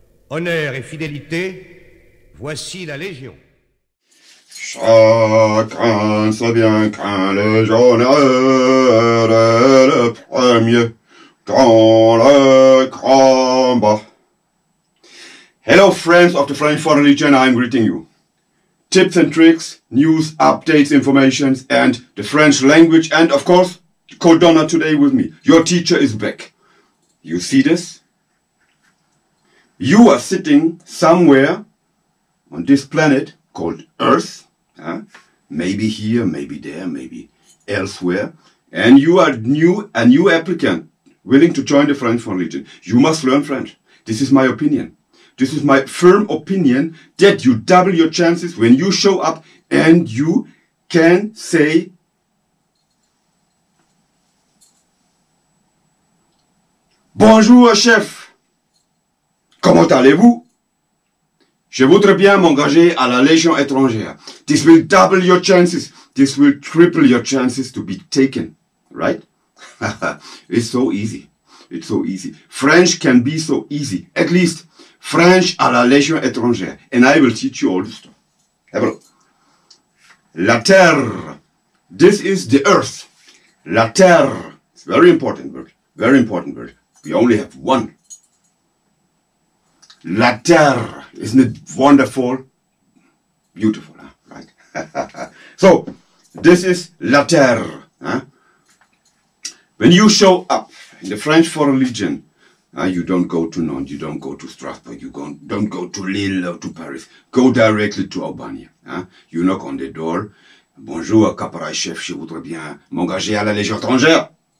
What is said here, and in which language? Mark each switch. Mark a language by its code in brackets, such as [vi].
[fr] Honneur et fidélité, voici la légion. Chacun sait bien qu'un légionnaire est le premier dans le combat. [en] Hello friends of the French Foreign Legion, I'm greeting you. Tips and tricks, news, updates, informations, and the French language, and of course, Codona today with me. Your teacher is back. You see this? You are sitting somewhere on this planet called Earth. Maybe here, maybe there, maybe elsewhere. And you are a new applicant willing to join the French Foreign Legion. You must learn French. This is my opinion. This is my firm opinion that you double your chances when you show up and you can say [fr] bonjour, chef. Comment allez-vous? Je voudrais bien m'engager à la Légion étrangère. [en] This will double your chances. This will triple your chances to be taken. Right? It's so easy. It's so easy. French can be so easy. At least French [fr] à la Légion étrangère. [en] And I will teach you all this stuff. Have a look. La terre. This is the earth. La terre. It's a very important word. Very important word. We only have one. La terre. Isn't it wonderful? Beautiful, huh? Right? So, this is la terre. Huh? When you show up in the French Foreign Legion, you don't go to Nantes, you don't go to Strasbourg, you don't go to Lille or to Paris. Go directly to Albania. You knock on the door. [fr] Bonjour, caporal chef, je voudrais bien m'engager à la Légion étrangère.